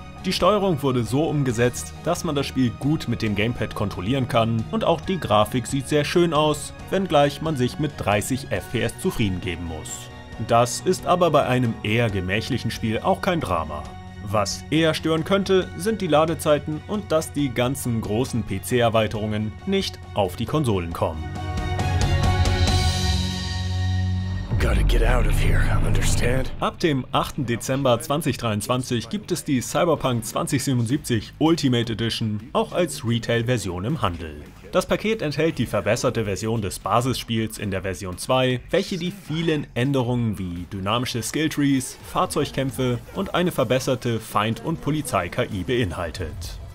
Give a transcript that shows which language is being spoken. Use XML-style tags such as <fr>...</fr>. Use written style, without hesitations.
<de>Die Steuerung wurde so umgesetzt, dass man das Spiel gut mit dem Gamepad kontrollieren kann und auch die Grafik sieht sehr schön aus, wenngleich man sich mit 30 FPS zufrieden geben muss. Das ist aber bei einem eher gemächlichen Spiel auch kein Drama. Was eher stören könnte, sind die Ladezeiten und dass die ganzen großen PC-Erweiterungen nicht auf die Konsolen kommen.</de> <en>Gotta get out of here, understand?</en> <de>Ab dem 8. Dezember 2023 gibt es die Cyberpunk 2077 Ultimate Edition auch als Retail-Version im Handel. Das Paket enthält die verbesserte Version des Basisspiels in der Version 2, welche die vielen Änderungen wie dynamische Skilltrees, Fahrzeugkämpfe und eine verbesserte Feind- und Polizei-KI beinhaltet.</de>